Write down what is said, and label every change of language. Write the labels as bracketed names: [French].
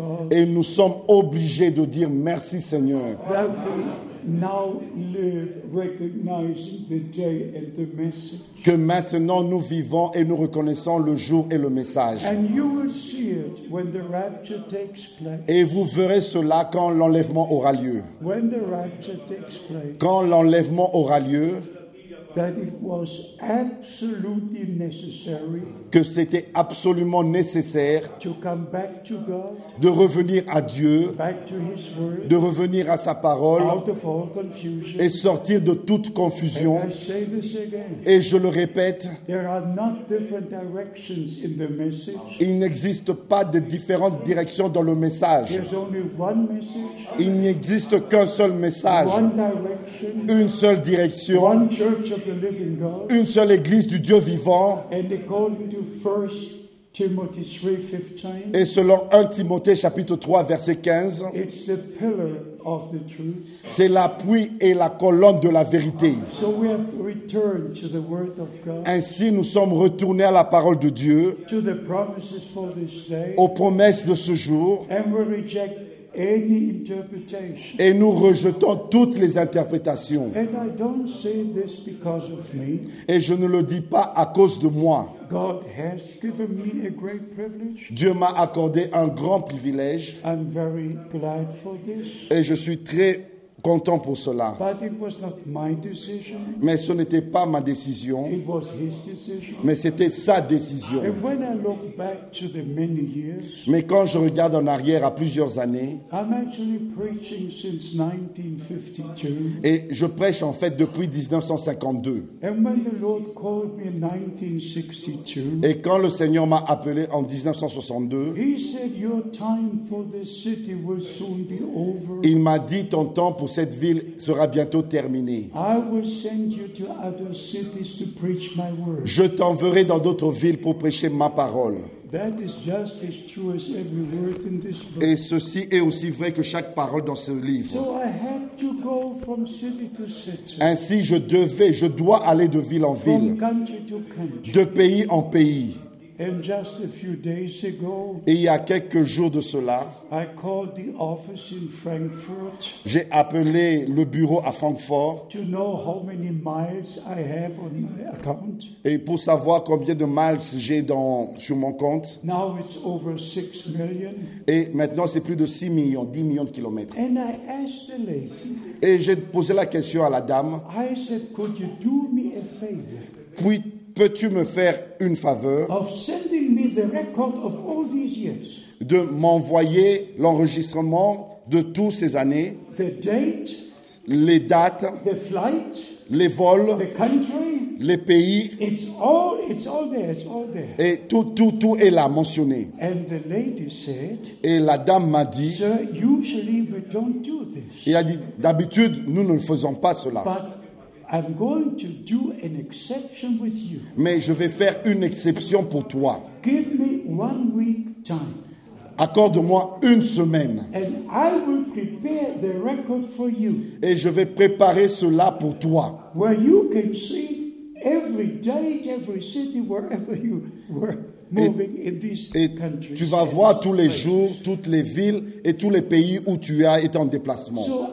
[French] Et nous sommes obligés de dire merci Seigneur. [English] Now live recognizing the day and the message. [French] Que maintenant nous vivons et nous reconnaissons le jour et le message. [English] And you will see it when the rapture takes place. [French] Et vous verrez cela quand l'enlèvement aura lieu. [English] When the rapture takes place. [French] Quand l'enlèvement aura lieu. [English] That it was absolutely necessary. [French] Que c'était absolument nécessaire [English] to come back to God, [French] de revenir à Dieu, [English] back to his word, [French] de revenir à sa parole, [English] out of all confusion, [French] et sortir de toute confusion. [English] And I say this again, [French] et je le répète, [English] there are not different directions in the message. [French] Il n'existe pas de différentes directions dans le message. [English] There's only one message. [French] Il n'existe qu'un seul message, [English] one direction, [French] une seule direction, [English] one church of the living God, [French] une seule église du Dieu vivant. [English] And they call to 1 Timothy 3:15, [French] et selon 1 Timothée chapitre 3 verset 15, [English] it's the pillar of the truth. [French] C'est l'appui et la colonne de la vérité. [English] So we have returned to the word of God. [French] Ainsi nous sommes retournés à la parole de Dieu, [English] to the promises for this day, [French] aux promesses de ce jour, [English] and we reject any interpretation. [French] Et nous rejetons toutes les interprétations. [English] And I don't say this because of me. [French] Et je ne le dis pas à cause de moi. [English] God has given me a great privilege. [French] Dieu m'a accordé un grand privilège. [English] I'm very glad for this. [French] Et je suis très content pour cela. [English] But it was not my decision. [French] Mais ce n'était pas ma décision. [English] It was his decision. [French] Mais c'était sa décision. [English] And when I look back to the many years, [French] mais quand je regarde en arrière à plusieurs années, [English] I'm actually preaching since 1952. [French] Et je prêche en fait depuis 1952. [English] And when the Lord called me in 1962, [French] et quand le Seigneur m'a appelé en 1962, [English] he said, "Your time for this city will soon be over." [French] Il m'a dit, ton temps pour cette ville sera bientôt terminée. [English] I will send you to other cities to preach my word. [French] Je t'enverrai dans d'autres villes pour prêcher ma parole. [English] That is just as true as every word in this book. [French] Et ceci est aussi vrai que chaque parole dans ce livre. [English] So I had to go from city to city. [French] Ainsi, je dois aller de ville en ville, [English] from country to country, [French] de pays en pays. [English] And just a few days ago, [French] et il y a quelques jours de cela, [English] I called the office in Frankfurt, [French] j'ai appelé le bureau à Francfort, [English] to know how many miles I have on my account. [French] Et pour savoir combien de miles j'ai sur mon compte. [English] Now it's over 6 million. [French] Et maintenant c'est plus de 6 millions, 10 millions de kilomètres. [English] And I asked the lady, [French] et j'ai posé la question à la dame. [English] I said, could you do me a favor? [French] Puis, peux-tu me faire une faveur [English] of sending me the record of all these years, [French] de m'envoyer l'enregistrement de toutes ces années, [English] the date, [French] les dates, [English] the flight, [French] les vols, [English] the country, [French] les pays, [English] it's all there. [French] Et tout est là mentionné. [English] And the lady said, [French] et la dame m'a dit, [English] sir, usually we don't do this. [French] Il a dit, d'habitude, nous ne faisons pas cela. [English] But I'm going to do an exception with you. [French] Mais je vais faire une exception pour toi. [English] Give me 1 week time. [French] Accorde-moi une semaine. [English] And I will prepare the record for you. [French] Et je vais préparer cela pour toi. [English] Where you can see every date, every city, wherever you were. [French] Et tu vas voir tous les jours toutes les villes et tous les pays où tu as été en déplacement.